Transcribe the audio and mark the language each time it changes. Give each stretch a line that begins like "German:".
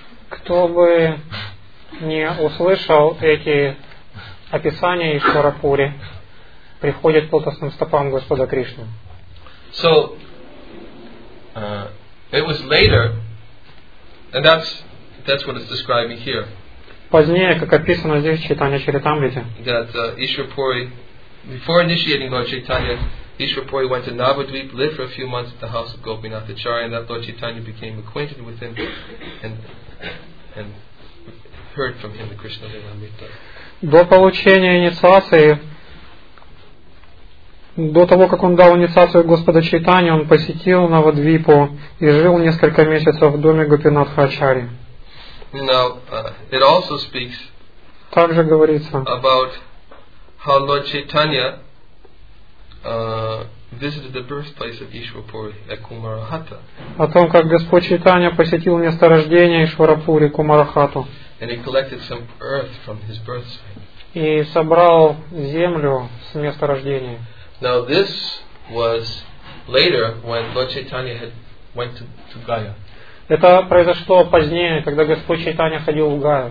Russian: Кто бы не услышал эти описания Ишвара Пури, приходит к лотосным стопам Господа Кришны.
English: So it was later, and that's what it's describing here.
Russian: Позднее, как описано здесь в Чайтанья Чаритамрите,
English: that Ishwara Puri, before initiating Lord Chaitanya, Ishwara Puri went to Navadvip, lived for a few months at the house of Gopinath Acharya, and that Lord Chaitanya became acquainted with him and heard from him the Krishna Lilamrita.
Russian: До получения инициации, до того, как он дал инициацию Господа Чайтанья, он посетил Навадвипу и жил несколько месяцев в доме Гопинатха Ачарьи.
English: Now, it also speaks
Russian: также говорится
English: about how Lord Chaitanya visited the birthplace of Ishwara Puri at Kumarahata.
Russian: О том, как Господь Чайтанья посетил место рождения Ишвара Пури, Кумарахату.
English: And he collected some earth from his birth site.
Russian: И собрал землю с места рождения.
English: Now this was later when Lord Chaitanya had went to Gaya.
Russian: Это произошло позднее, когда Господь Чайтанья ходил в Гаю.